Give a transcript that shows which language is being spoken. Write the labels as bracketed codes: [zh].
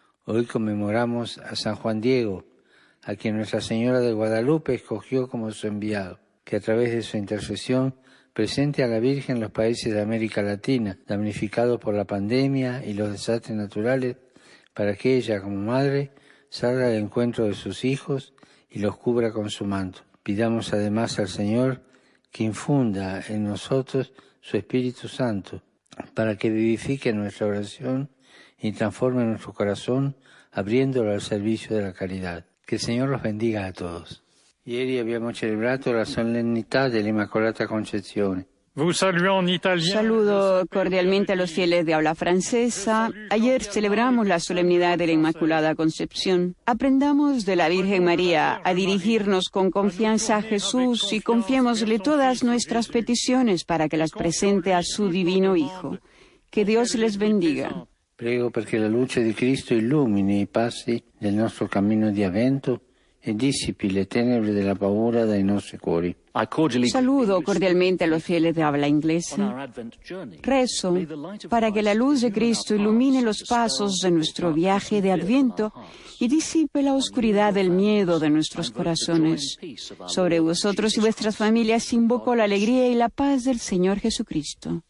[es] Hoy conmemoramos a San Juan Diego, a quien Nuestra Señora de Guadalupe escogió como su enviado, que a través de su intercesión presente a la Virgen los países de América Latina, damnificados por la pandemia y los desastres naturales, para que ella, como madre, salga al encuentro de sus hijos y los cubra con su manto. Pidamos además al Señor que infunda en nosotros su Espíritu Santo, para que vivifique nuestra oración y transforme nuestro corazón, abriéndolo al servicio de la caridad. Que el Señor los bendiga a todos. [it] Ieri abbiamo celebrato la solennità dell'Immacolata Concezione. [es] Saludo cordialmente a los fieles de habla francesa. Ayer celebramos la solemnidad de la Inmaculada Concepción. Aprendamos de la Virgen María a dirigirnos con confianza a Jesús y confiémosle todas nuestras peticiones para que las presente a su divino Hijo. Que Dios les bendiga. [it] Prego perché la luce di Cristo illumini i passi del nostro cammino di avvento e dissipi le tenebre della paura dai nostri cuori. [es] Saludo cordialmente a los fieles de habla inglesa. Rezo para que la luz de Cristo ilumine los pasos de nuestro viaje de Adviento y disipe la oscuridad del miedo de nuestros corazones. Sobre vosotros y vuestras familias invoco la alegría y la paz del Señor Jesucristo.